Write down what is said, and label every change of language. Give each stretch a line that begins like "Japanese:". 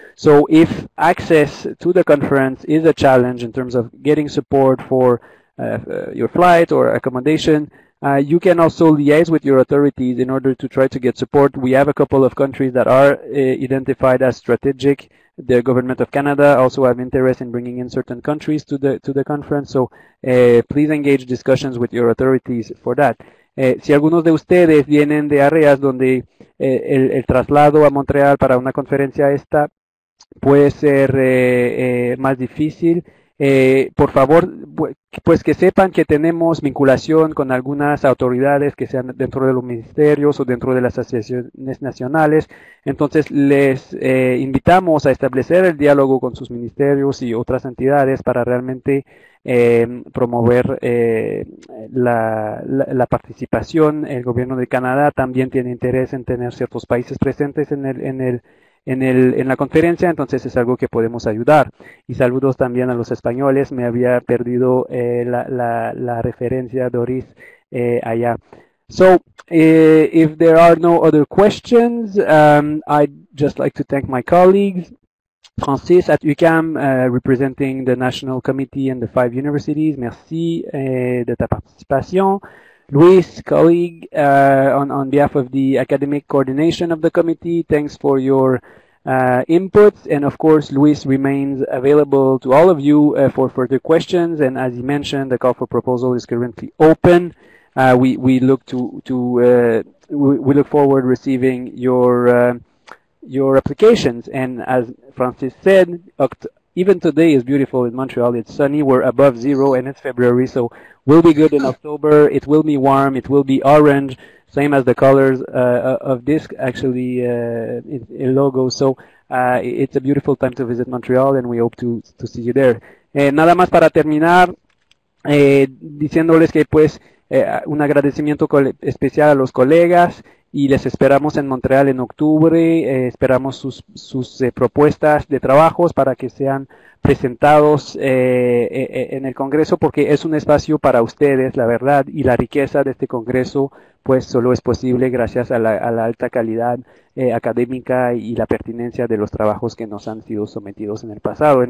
English: So if access to the conference is a challenge in terms of getting support for your flight or accommodation, you can also liaise with your authorities in order to try to get support. We have a couple of countries that are identified as strategic. The government of Canada also have interest in bringing in certain countries to the conference. So please engage discussions with your authorities for that.
Spanish: Si algunos de ustedes vienen de áreas donde el traslado a Montreal para una conferencia esta puede ser más difícil, por favor, pues que sepan que tenemos vinculación con algunas autoridades que sean dentro de los ministerios o dentro de las asociaciones nacionales. Entonces, les invitamos a establecer el diálogo con sus ministerios y otras entidades para realmente promover la participación. El gobierno de Canadá también tiene interés en tener ciertos países presentes en la conferencia, entonces es algo que podemos ayudar. Y saludos también a los españoles, me había perdido la referencia, Doris, allá.
English: So, if there are no other questions, I'd just like to thank my colleagues, Francis at UCAM, representing the National Committee and the five universities,
French: merci de ta participation.
English: Luis, colleague, on behalf of the academic coordination of the committee, thanks for your inputs. And of course, Luis remains available to all of you for further questions. And as he mentioned, the call for proposal is currently open. We look forward to receiving your applications. And as Francis said, even today is beautiful in Montreal. It's sunny. We're above zero and it's February. So we'll be good in October. It will be warm. It will be orange, same as the colors of this actually in logo. So it's a beautiful time to visit Montreal and we hope to see you there.
Spanish: Nada más para terminar, diciéndoles que pues un agradecimiento especial a los colegas. Y les esperamos en Montreal en octubre, esperamos sus propuestas de trabajos para que sean presentados en el Congreso, porque es un espacio para ustedes, la verdad, y la riqueza de este Congreso, pues solo es posible gracias a la alta calidad académica y la pertinencia de los trabajos que nos han sido sometidos en el pasado.